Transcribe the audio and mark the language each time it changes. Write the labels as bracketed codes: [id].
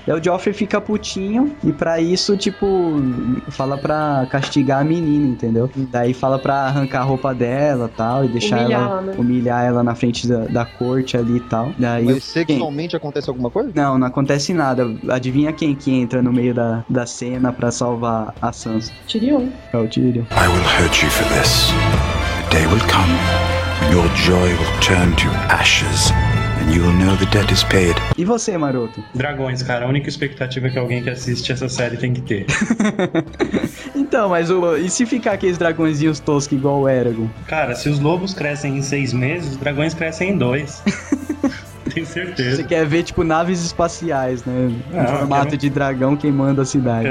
[pt] Daí o Joffrey fica putinho, e pra isso, tipo, fala pra castigar a menina, entendeu? Daí fala pra arrancar a roupa dela e tal, e deixar humilhar ela na frente da corte ali e tal. Daí, mas sexualmente acontece alguma coisa? Não acontece nada. Adivinha quem que entra no meio da cena pra salvar a Sansa? Tyrion. É o Tyrion. [en] I will hurt you for this. The day will come when your joy will turn to ashes. And you will know the debt is paid. [pt] E você, Maroto? Dragões, cara. A única expectativa é que alguém que assiste essa série tem que ter. Então, mas e se ficar aqueles dragõezinhos toscos igual o Eragon? Cara, se os lobos crescem em 6 meses, os dragões crescem em 2. Tenho certeza. Você quer ver, tipo, naves espaciais, né? Em formato de dragão queimando a cidade.